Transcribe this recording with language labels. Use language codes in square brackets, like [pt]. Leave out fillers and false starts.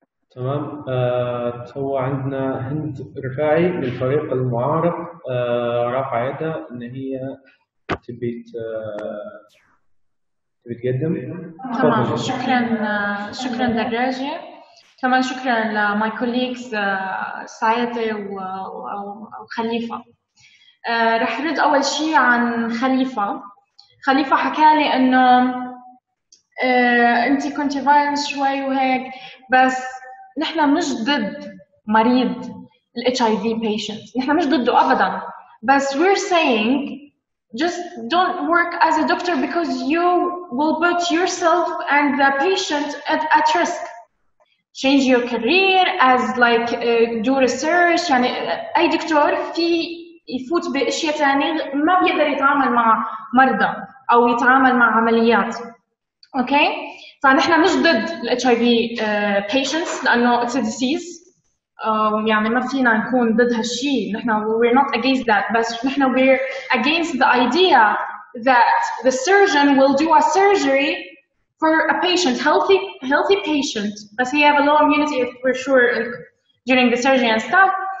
[ar] تمام، تو عندنا هند رفاعي من الفريق المعارض رفع يده ان هي تبي تقدم. تمام، شكرا. شكرا دراجي. كمان شكرا [en] لماي كوليكس [ar] سايتي وخليفة. رح ارد اول شيء عن خليفة. خليفة حكى لي انه انت كنت فايروس شوي وهيك، بس نحن مش ضد مريض ال HIV patient، نحن مش ضده ابدا، بس [en] we're saying just don't work as a doctor because you will put yourself and the patient at risk. Change your career as like do research. [ar] يعني اي دكتور في يفوت باشياء ثانيه ما بيقدر يتعامل مع مرضى او يتعامل مع عمليات. اوكي، فنحن مش ضد ال [en] HIV patients لانه it's a disease، [ar] يعني ما فينا نكون ضد هالشيء، نحن [en] we're not against that، [ar] بس نحن [en] we're against the idea that the surgeon will do a surgery for a patient, healthy patient, but he have a low immunity for sure during the surgery and stuff.